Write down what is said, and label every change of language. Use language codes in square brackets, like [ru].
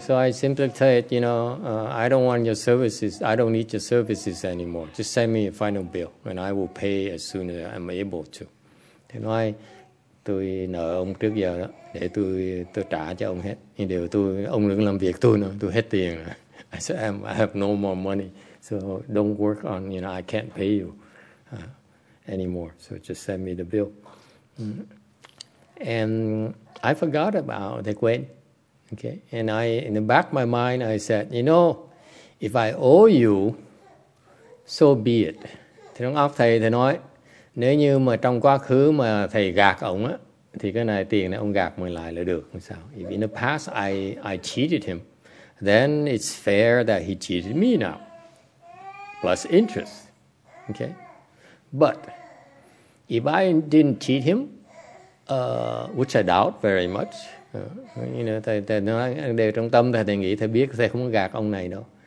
[en] So I simply tell it, you know, I don't want your services. I don't need your services anymore. Just send me a final bill and I will pay as soon as I'm able to. [vi] Thế nói, tôi nợ ông trước giờ đó, để tôi trả cho ông hết. Nhưng điều tôi, ông đừng làm việc tôi nữa, tôi hết tiền rồi. [en] I said, I have no more money. So don't work on, you know, I can't pay you anymore. So just send me the bill. And I forgot about the [vi] quên. [en] Okay, and I, in the back of my mind, I said, you know, if I owe you, so be it. [vi] Thì trong óc thầy, thầy nói, nếu như mà trong quá khứ mà thầy gạt ông á, thì cái này tiền này ông gạt mình lại là được. Sao? [en] If in the past I cheated him, then it's fair that he cheated me now, plus interest. Okay, but if I didn't cheat him, which I doubt very much, you know, [vi] thầy nói đều trong tâm thầy nghĩ thầy biết thầy không gạt ông này đâu.